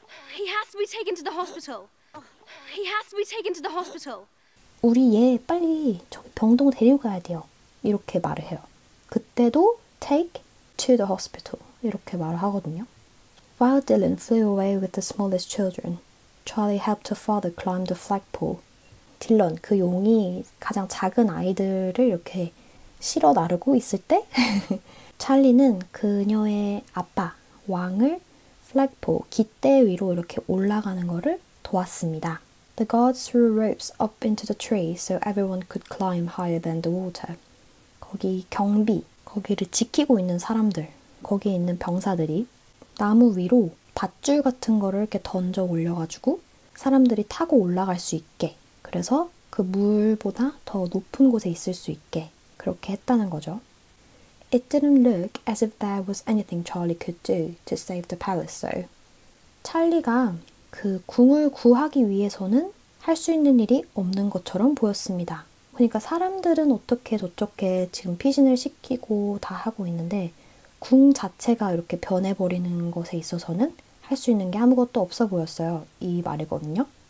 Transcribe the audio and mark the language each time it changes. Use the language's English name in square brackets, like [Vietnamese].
[English] He has to be taken to the hospital. He has to be taken to the hospital. [Korean] 우리 얘 빨리 저기 병동 데리고 가야 돼요. 이렇게 말을 해요. 그때도 [English] take to the hospital [Korean] 이렇게 말을 하거든요. [English] While Dylan flew away with the smallest children, Charlie helped her father climb the flagpole. [Korean] 딜런, 그 용이 가장 작은 아이들을 이렇게 실어 나르고 있을 때 찰리는 그녀의 아빠, 왕을 flagpole, 깃대 위로 이렇게 올라가는 거를 도왔습니다. [English] The guards threw ropes up into the tree so everyone could climb higher than the water. [Korean] 거기 경비, 거기를 지키고 있는 사람들, 거기에 있는 병사들이 나무 위로 밧줄 같은 거를 이렇게 던져 올려가지고 사람들이 타고 올라갈 수 있게 그래서 그 물보다 더 높은 곳에 있을 수 있게 그렇게 했다는 거죠. [English] It didn't look as if there was anything Charlie could do to save the palace, though. [Korean] 찰리가 그 궁을 구하기 위해서는 할 수 있는 일이 없는 것처럼 보였습니다. 그러니까 사람들은 어떻게 저쩌게 지금 피신을 시키고 다 하고 있는데 궁 자체가 이렇게 변해버리는 것에 있어서는 할 수 있는 게 아무것도 없어 보였어요. 이 말이거든요.